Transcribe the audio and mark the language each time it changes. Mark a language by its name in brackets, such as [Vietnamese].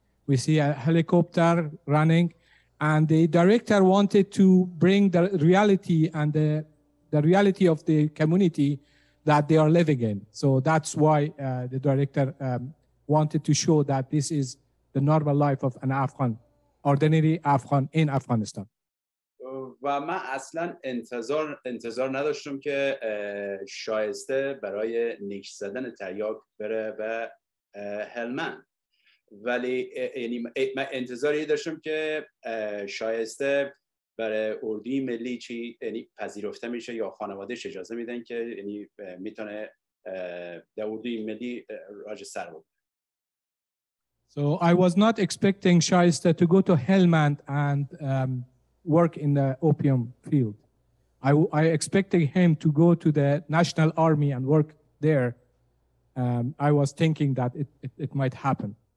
[English] We see a helicopter running. And the director wanted to bring the reality and the reality of the community that they are living in. So that's why the director wanted to show that this is the normal life of an Afghan, ordinary Afghan in Afghanistan. [Persian] و من اصلا انتظار نداشتم که شایسته برای نیش زدن تریاک بره و هلمن، ولی من انتظاری داشتم که شایسته برای اردوی ملی چی پذیرفته میشه یا خانوادهش اجازه میدن که میتونه در اردوی ملی راج سر بود. [English] So I was not expecting Shayesta to go to Helmand and work in the opium field. I expected him to go to the National Army and work there. I was thinking that it might happen.